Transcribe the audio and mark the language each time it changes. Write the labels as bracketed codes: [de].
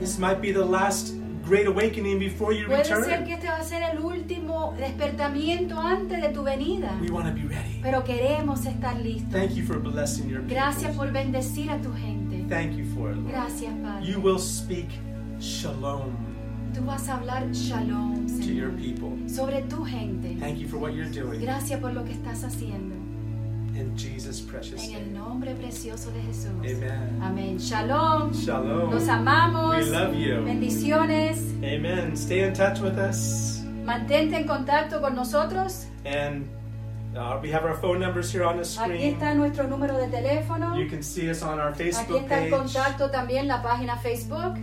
[en] This might be the last great awakening before you [es] puede [en] return. [es] Ser que este va a ser el último despertamiento antes de tu venida. [en] We want to be ready. [es] Pero queremos estar listos. [en] Thank you for blessing your people. [es] Gracias por bendecir a tu gente. [en] Thank you for it, Lord. [es] Gracias, Padre. [en] You will speak shalom. [es] Tú vas a hablar shalom, Señor, [en] to your people. [es] Sobre tu gente. [en] Thank you for what you're doing. [es] Gracias por lo que estás haciendo. [en] In Jesus' precious name. [es] En el nombre precioso de Jesús. [en] Amen. [es] Amén. Shalom. [he] Shalom. [es] Nos amamos. [en] We love you. [es] Bendiciones. [en] Amen. Stay in touch with us. [es] Mantente en contacto con nosotros. [en] And we have our phone numbers here on the screen. [es] Aquí está nuestro número de teléfono. [en] You can see us on our Facebook page. [es] Aquí está el contacto también, la página Facebook.